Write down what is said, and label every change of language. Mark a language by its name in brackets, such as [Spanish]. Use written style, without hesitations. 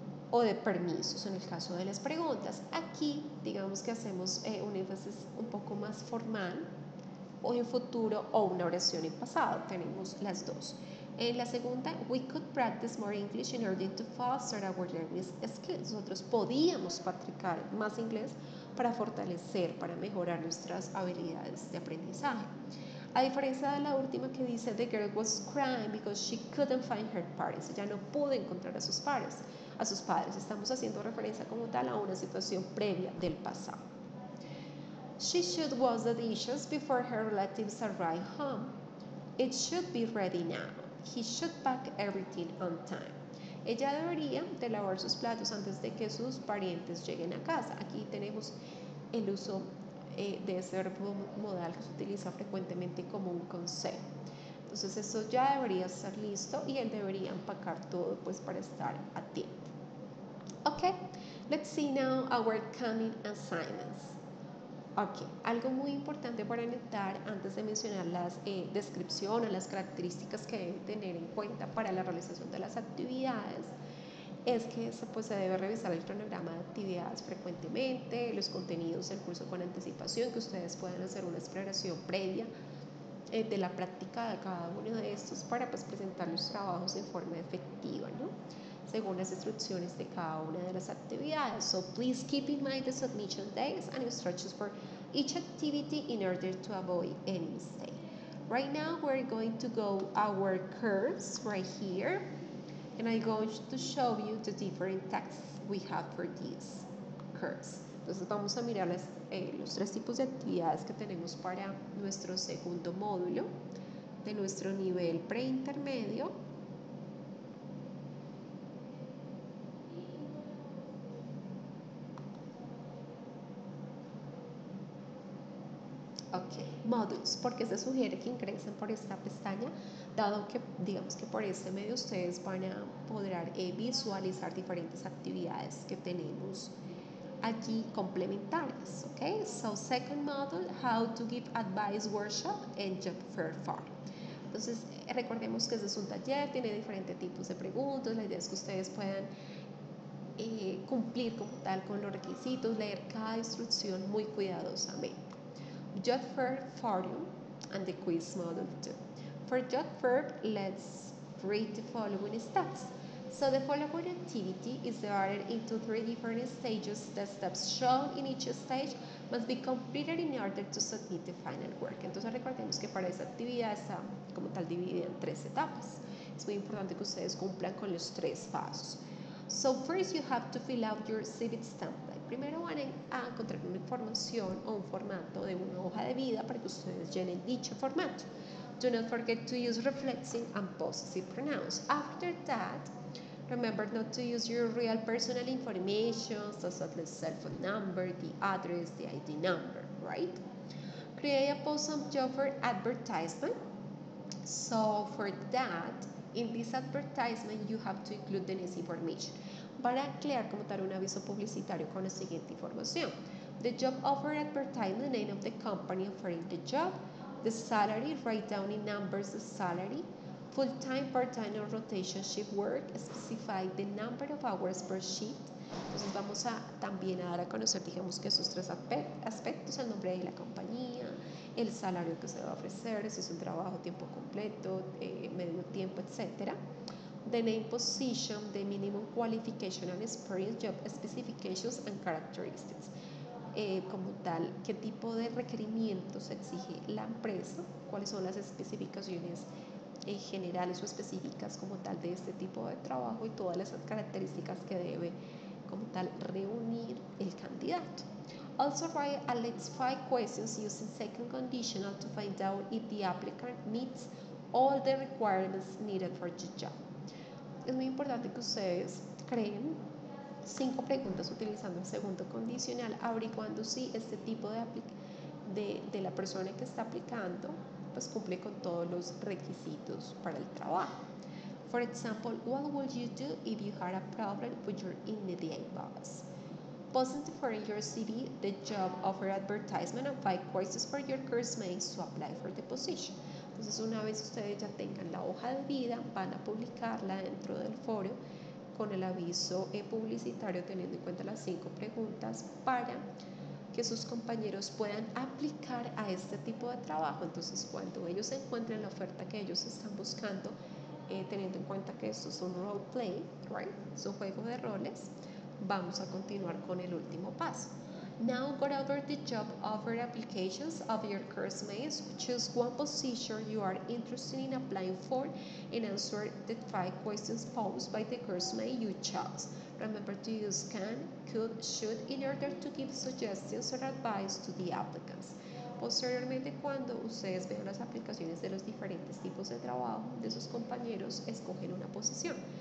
[Spanish] O de permisos en el caso de las preguntas. Aquí, digamos que hacemos un énfasis un poco más formal, o en futuro, o una oración en pasado. Tenemos las dos. En la segunda, [English] we could practice more English in order to foster our learning skills. [Spanish] Nosotros podíamos practicar más inglés para fortalecer, para mejorar nuestras habilidades de aprendizaje. A diferencia de la última que dice, [English] the girl was crying because she couldn't find her parents. [Spanish] Ella no pudo encontrar a sus padres. Estamos haciendo referencia como tal a una situación previa del pasado. [English] She should wash the dishes before her relatives arrive home. It should be ready now. He should pack everything on time. [Spanish] Ella debería de lavar sus platos antes de que sus parientes lleguen a casa. Aquí tenemos el uso de ese verbo modal que se utiliza frecuentemente como un consejo. Entonces eso ya debería estar listo y él debería empacar todo pues para estar a tiempo. [English] Okay, let's see now our coming assignments. [Spanish] Okay, algo muy importante para anotar antes de mencionar las descripciones, las características que deben tener en cuenta para la realización de las actividades, es que se debe revisar el cronograma de actividades frecuentemente, los contenidos del curso con anticipación, que ustedes puedan hacer una exploración previa de la práctica de cada uno de estos para pues, presentar los trabajos en forma efectiva, ¿no? Según las instrucciones de cada una de las actividades. [English] So please keep in mind the submission dates and instructions for each activity in order to avoid any mistake. Right now we're going to go our curves right here, and I'm going to show you the different tasks we have for these curves. [Spanish] Entonces vamos a mirar los tres tipos de actividades que tenemos para nuestro segundo módulo de nuestro nivel preintermedio. Módulos, porque se sugiere que ingresen por esta pestaña, dado que digamos que por este medio ustedes van a poder visualizar diferentes actividades que tenemos aquí complementarias. [English] Okay, so second module, how to give advice workshop and job fair form. [Spanish] Entonces recordemos que este es un taller, tiene diferentes tipos de preguntas, la idea es que ustedes puedan cumplir como tal con los requisitos, leer cada instrucción muy cuidadosamente. [English] Job fair forum and the quiz module 2. For job verb, let's read the following steps. So the following activity is divided into three different stages. The steps shown in each stage must be completed in order to submit the final work. [Spanish] Entonces recordemos que para esa actividad está como tal dividida en tres etapas. Es muy importante que ustedes cumplan con los tres pasos. [English] So first you have to fill out your civic template. [Spanish] Primero van a encontrar una información o un formato de una hoja de vida para que ustedes llenen dicho formato. [English] Do not forget to use reflexive and possessive pronouns. After that, remember not to use your real personal information, such as the cell phone number, the address, the ID number, right? Create a possible job for advertisement. So for that, in this advertisement, you have to include the next information. [Spanish] Para crear como tal un aviso publicitario con la siguiente información. [English] The job offer advertisement, the name of the company offering the job, the salary, write down in numbers the salary, full-time, part-time, or rotation shift work, specify the number of hours per shift. [Spanish] Entonces vamos a también a dar a conocer, digamos que esos tres aspectos, el nombre de la compañía, el salario que se va a ofrecer, si es un trabajo tiempo completo, medio tiempo, etc. [English] The name position, the minimum qualification and experience, job specifications and characteristics. [Spanish] Como tal, qué tipo de requerimientos exige la empresa, cuáles son las especificaciones en generales o específicas como tal de este tipo de trabajo y todas esas características que debe como tal reunir el candidato. [English] Also write at least 5 questions using second conditional to find out if the applicant meets all the requirements needed for the job. [Spanish] Es muy importante que ustedes creen 5 preguntas utilizando el segundo condicional averiguando si este tipo de la persona que está aplicando pues cumple con todos los requisitos para el trabajo. [English] For example, what would you do if you had a problem with your immediate boss? Posting your CV, the job offer advertisement and 5 questions for your course mates to apply for the position. [Spanish] Entonces una vez ustedes ya tengan la hoja de vida, van a publicarla dentro del foro con el aviso publicitario teniendo en cuenta las 5 preguntas para que sus compañeros puedan aplicar a este tipo de trabajo. Entonces, cuando ellos encuentren la oferta que ellos están buscando, teniendo en cuenta que esto es un role play, right? Es un juego de roles, vamos a continuar con el último paso. [English] Now go over the job offer applications of your course mates. Choose one position you are interested in applying for and answer the 5 questions posed by the course mate you chose. Remember to use can, could, should in order to give suggestions or advice to the applicants. [Spanish] Posteriormente, cuando ustedes vean las aplicaciones de los diferentes tipos de trabajo de sus compañeros, escogen una posición.